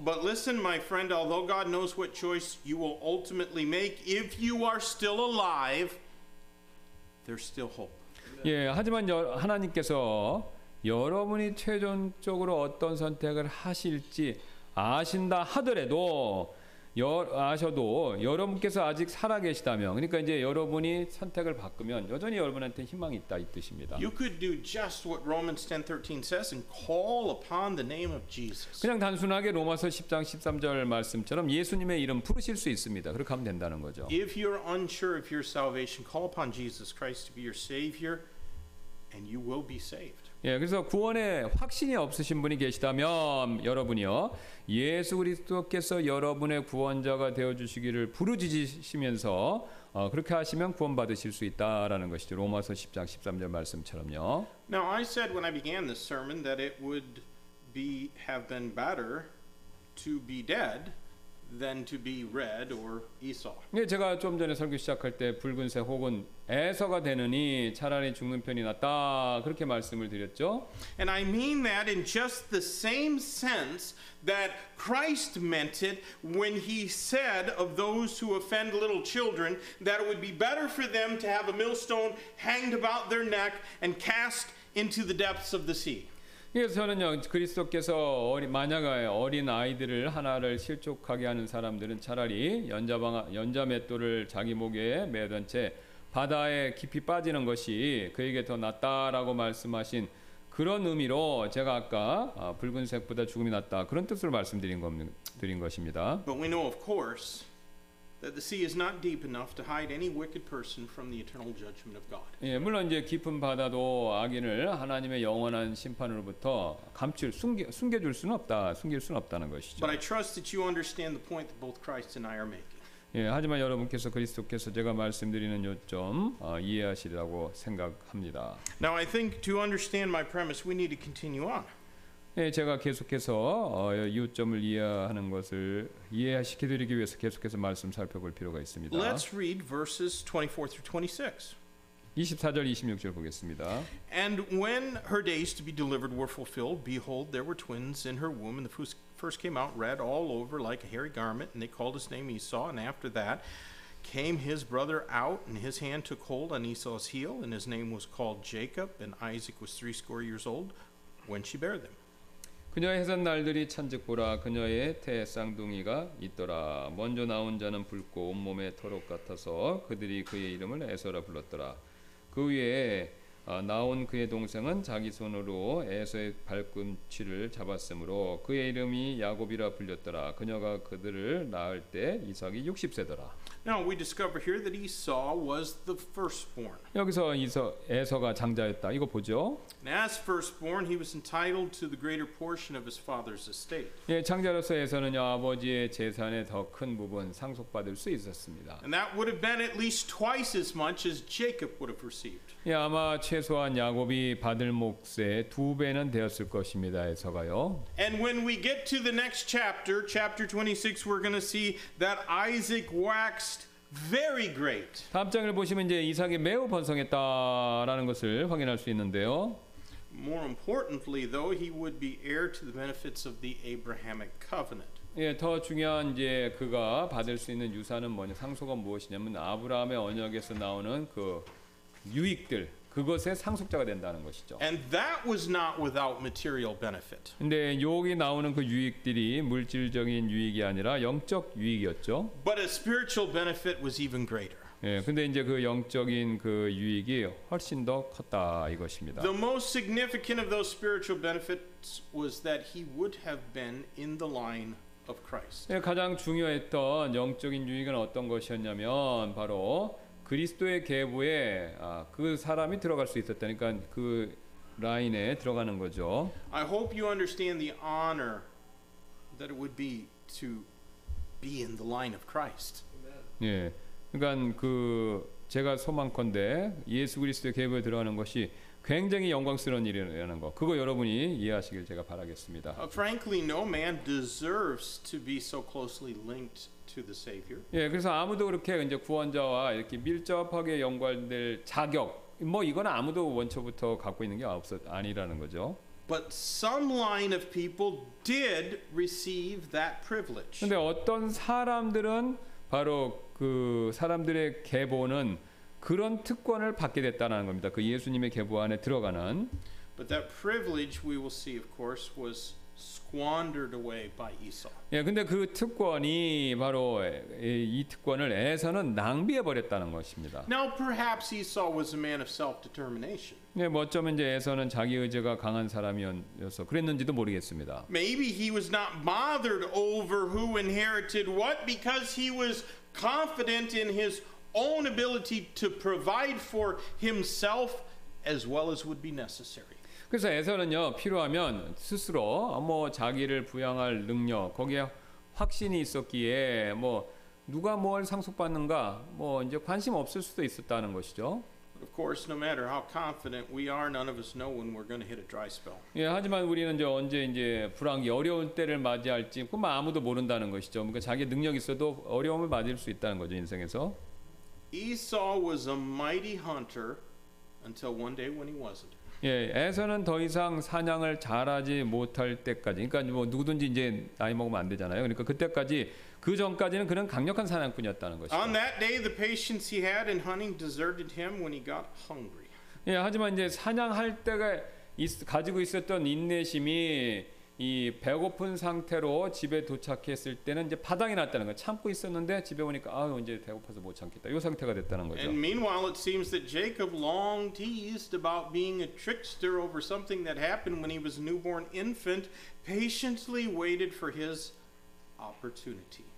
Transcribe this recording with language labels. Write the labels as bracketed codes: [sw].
[en] But listen, my friend, although God knows what choice you will ultimately make, if you are still alive, there's still hope. [ko] 예, 하지만 하나님께서 여러분이 최종적으로 어떤 선택을 하실지 아신다 하더라도 아셔도 여러분께서 아직 살아 계시다면 그러니까 이제 여러분이 선택을 바꾸면 여전히 여러분한테 희망이 있다 이 뜻입니다. [en] You could do just what Romans 10:13 says and call upon the name of Jesus. [ko] 그냥 단순하게 로마서 10장 13절 말씀처럼 예수님의 이름 부르실 수 있습니다. 그렇게 하면 된다는 거죠. [en] If you're unsure of your salvation, call upon Jesus Christ to be your savior and you will be saved. [ko] 예, 그래서 구원에 확신이 없으신 분이 계시다면 여러분이요 예수 그리스도께서 여러분의 구원자가 되어 주시기를 부르짖으시면서 그렇게 하시면 구원 받으실 수 있다라는 것이죠. 로마서 10장 13절 말씀처럼요. [en] Now I said when I began this sermon that it would be have been better to be dead than to be red or Esau. [ko] 예, 제가 좀 전에 설교 시작할 때 붉은새 혹은 에서가 되느니 차라리 죽는 편이 낫다 그렇게 말씀을 드렸죠. [en] And I mean that in just the same sense that Christ meant it when he said of those who offend little children that it would be better for them to have a millstone hanged about their neck and cast into the depths of the sea. [ko] 그래서는요 그리스도께서 만약에 어린 아이들을 하나를 실족하게 하는 사람들은 차라리 연자맷돌을 자기 목에 매던 채 바다에 깊이 빠지는 것이 그에게 더 낫다라고 말씀하신 그런 의미로 제가 아까 붉은색보다 죽음이 낫다 그런 뜻으로 말씀드린 것입니다. [en] But we know of course that the sea is not deep enough to hide any wicked person from the eternal judgment of God. [ko] 예, 물론 이제 깊은 바다도 악인을 하나님의 영원한 심판으로부터 감출 숨겨줄 수는 없다. 숨길 수는 없다는 것이죠. [en] But I trust that you understand the point that both Christ and I are making. [ko] 예, 하지만 여러분께서 그리스도께서 제가 말씀드리는 요점 이해하시리라고 생각합니다. [en] Now I think to understand my premise we need to continue on. [ko] 예, 제가 계속해서 요점을 이해하는 것을 이해시켜 드리기 위해서 계속해서 말씀 살펴볼 필요가 있습니다. [en] Let's read verses 24 through 26. [ko] 24절 26절 보겠습니다. [en] And when her days to be delivered were fulfilled, behold there were twins in her womb and the first came out red all over like a hairy garment and they called his name Esau and after that came his brother out and his hand took hold on Esau's heel and his name was called Jacob and Isaac was 80 years old when she bare them. [ko] 그녀의 해산 날들이 찬즉 보라 그녀의 태 쌍둥이가 있더라 먼저 나온 자는 붉고 온몸에 털옷 같아서 그들이 그의 이름을 에서라 불렀더라 그 위에 나온 그의 동생은 자기 손으로 에서의 발꿈치를 잡았으므로 그의 이름이 야곱이라 불렸더라. 그녀가 그들을 낳을 때 이삭이 60세더라. [en] Now we discover here that Esau was the firstborn. [ko] 여기서 에서가 장자였다. 이거 보죠. [en] And as firstborn, he was entitled to the greater portion of his father's estate. [ko] 예, 장자로서 에서는요 아버지의 재산의 더 큰 부분 상속받을 수 있었습니다. [en] And that would have been at least twice as much as Jacob would have received. [ko] 예, 아마 최소한 야곱이 받을 몫의 두 배는 되었을 것입니다. 에서가요. [en] And when we get to the next chapter, chapter 26, we're going to see that Isaac waxed very great. [ko] 다음 장을 보시면 이제 이삭이 매우 번성했다라는 것을 확인할 수 있는데요. [en] More importantly, though, he would be heir to the benefits of the Abrahamic covenant. [ko] 예, 더 중요한 이제 그가 받을 수 있는 유산은 뭐냐, 상속은 무엇이냐면 아브라함의 언약에서 나오는 그 유익들. 그것의 상속자가 된다는 것이죠. [en] And that was not without material benefit. [ko] 근데 여기 나오는 그 유익들이 물질적인 유익이 아니라 영적 유익이었죠. [en] But a spiritual benefit was even greater. [ko] 예, 근데 이제 그 영적인 그 유익이 훨씬 더 컸다 이것입니다. [en] The most significant of those spiritual benefits was that he would have been in the line of Christ. [ko] 예, 가장 중요했던 영적인 유익은 어떤 것이었냐면 바로 그리스도의 계보에 그 사람이 들어갈 수 있었다니까 그 라인에 들어가는 거죠. [en] I hope you understand the honor that it would be to be in the line of Christ. [ko] 예, 그러니까 그 제가 소망컨대 예수 그리스도의 계보에 들어가는 것이 굉장히 영광스러운 일이라는 거. 그거 여러분이 이해하시길 제가 바라겠습니다. [en] Frankly, no man deserves to be so closely linked to the Savior. [ko] 예, 그래서 아무도 그렇게 이제 구원자와 이렇게 밀접하게 연관될 자격, 뭐 이건 아무도 원초부터 갖고 있는 게 없었 아니라는 거죠. [en] But some line of people did receive that privilege. [ko] 근데 어떤 사람들은 바로 그 사람들의 계보는 그런 특권을 받게 됐다는 겁니다. 그 예수님의 계보 안에 들어가는. [en] But that privilege we will see, of course, was squandered away by Esau. [ko] 예, 근데 그 특권이 바로 이 특권을 에서는 낭비해 버렸다는 것입니다. [en] Now perhaps Esau was a man of self-determination. [ko] 예, 뭐 어쩌면 이제 에서는 자기 의지가 강한 사람이어서 그랬는지도 모르겠습니다. [en] Maybe he was not bothered over who inherited what because he was confident in his own ability to provide for himself as well as would be necessary. [ko] 그래서 에서는요 필요하면 스스로 뭐 자기를 부양할 능력 거기에 확신이 있었기에 뭐 누가 뭘 상속받는가 뭐 이제 관심 없을 수도 있었다는 것이죠. [en] Of course, no matter how confident we are, none of us know when we're going to hit a dry spell. [ko] 예, 하지만 우리는 이제 언제 이제 불황이 어려운 때를 맞이할지 그만 아무도 모른다는 것이죠. 그러니까 자기 능력 있어도 어려움을 맞을 수 있다는 거죠 인생에서. [en] Esau was a mighty hunter until one day when he wasn't. [ko] 예, 에서는 더 이상 사냥을 잘하지 못할 때까지. 그러니까 뭐 누구든지 이제 나이 먹으면 안 되잖아요. 그러니까 그때까지 그 전까지는 그는 강력한 사냥꾼이었다는 것이죠. [en] On that day, the patience he had in hunting deserted him when he got hungry. [ko] 예, 하지만 이제 사냥할 때가 가지고 있었던 인내심이 이 배고픈 상태로 집에 도착했을 때는 이제 바닥이 났다는 거예요. 참고 있었는데 집에 오니까 아 이제 배고파서 못 참겠다. 이 상태가 됐다는 거죠. [en] And meanwhile, it seems that Jacob long teased about being a trickster over something that happened when he was a newborn infant, patiently waited for his opportunity.